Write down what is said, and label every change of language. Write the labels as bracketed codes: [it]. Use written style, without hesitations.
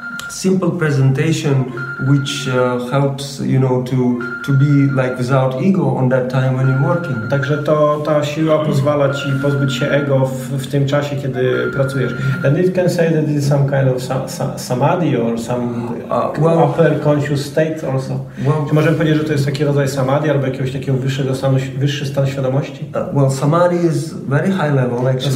[en] Simple presentation which helps, you know, to be like without ego on that time when you're working. [pl] Także to ta siła pozwala ci pozbyć się ego w tym czasie, kiedy pracujesz. [en] And it can say that it's some kind of samadhi or upper conscious state also. [pl] Well, czy możemy powiedzieć, że to jest taki rodzaj samadhi albo jakiegoś takiego wyższy stan świadomości? [en] Well, samadhi is very high level, actually.